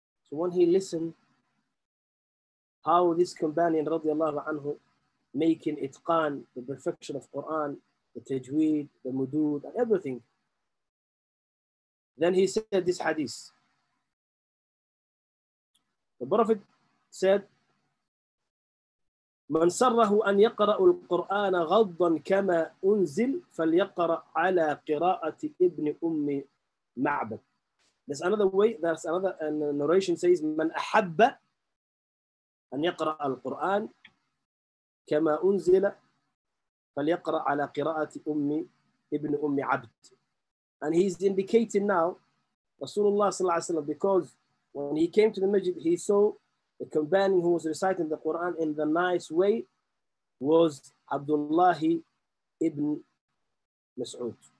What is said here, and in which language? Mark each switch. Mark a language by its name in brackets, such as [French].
[English] So when he listened, how this companion radiallahu anhu making itqan, the perfection of Quran, the Tajweed, the Mudud, and everything. Then he said this hadith. The Prophet said, [Arabic] من سره أن يقرأ القرآن غضا كما أنزل فليقرأ على قراءة ابن أم معبد. [English] There's another way, there's another narration says, [Arabic] من أحب أن يقرأ القرآن كما أنزل فليقرأ على قراءة أم ابن أم عبد. [English] And he's indicating now, Rasulullah sallallahu alayhi wa sallam, because when he came to the masjid, he saw the companion who was reciting the Quran in the nice way was Abdullah ibn Mas'ud.